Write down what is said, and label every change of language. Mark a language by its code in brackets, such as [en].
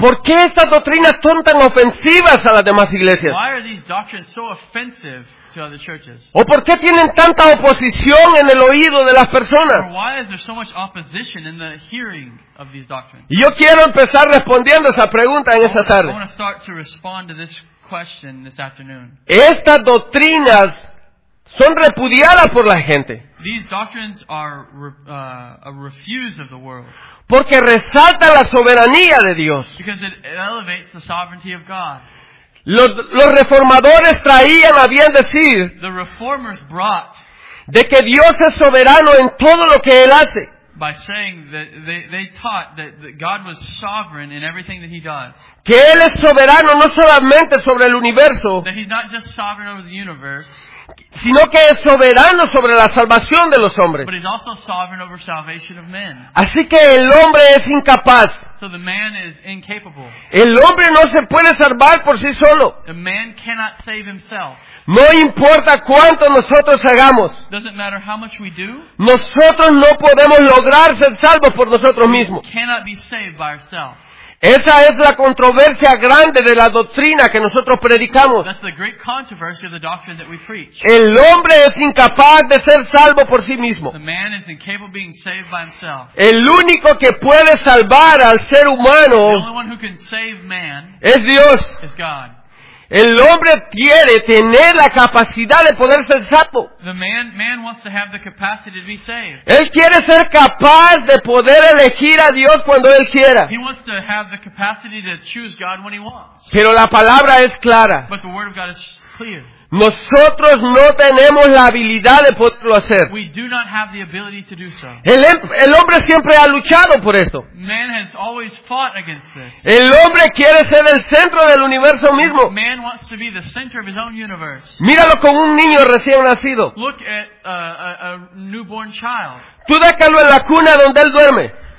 [es] ¿Por qué estas doctrinas son tan ofensivas a las demás iglesias? [en] Why are these doctrines so offensive to other churches? [es] ¿O por qué tienen tanta oposición en el oído de las personas? [en] Or why is there so much opposition in the hearing of these doctrines? [es] Y yo quiero empezar respondiendo esa pregunta en esta tarde. [en] I want to start to respond to this question this afternoon. [es] Estas doctrinas son repudiadas por la gente. [en] These doctrines are a refuse of the world. [es] Porque resalta la soberanía de Dios. [en] Because it elevates the sovereignty of God. [es] Los reformadores traían a bien decir, [en] the reformers brought, [es] de que Dios es soberano en todo lo que Él hace. [en] By saying that they taught that God was sovereign in everything that He does. [es] Que Él es soberano no solamente sobre el universo. [en] That He's not just sovereign over the universe. [es] Sino que es soberano sobre la salvación de los hombres. [en] But he's also sovereign over salvation of men. [es] Así que el hombre es incapaz. [en] So the man is incapable. [es] El hombre no se puede salvar por sí solo. [en] The man cannot save himself. [es] No importa cuánto nosotros hagamos. [en] Doesn't matter how much we do. [es] Nosotros no podemos lograr ser salvos por nosotros mismos. [en] We cannot be saved by ourselves. [es] Esa es la controversia grande de la doctrina que nosotros predicamos. [en] That's the great controversy of the doctrine that we preach. [es] El hombre es incapaz de ser salvo por sí mismo. [en] The man is incapable of being saved by himself. [es] El único que puede salvar al ser humano, [en] the only one who can save man, [es] es Dios. [en] Is God. [es] El hombre quiere tener la capacidad de poder ser salvo. [en] The man wants to have the capacity to be saved. [es] Él quiere ser capaz de poder elegir a Dios cuando él quiera. [en] He wants to have the capacity to choose God when he wants. [es] Pero la palabra es clara. [en] But the word of God is clear. [es] Nosotros no tenemos la habilidad de poderlo hacer. [en] We do not have the ability to do so. [es] El hombre siempre ha luchado por esto. [en] Man has always fought against this. [es] El hombre quiere ser el centro del universo mismo. [en] Man wants to be the center of his own universe. [es] Míralo con un niño recién nacido. [en] Look at a newborn child. [es] Tú déjalo en la cuna donde él duerme.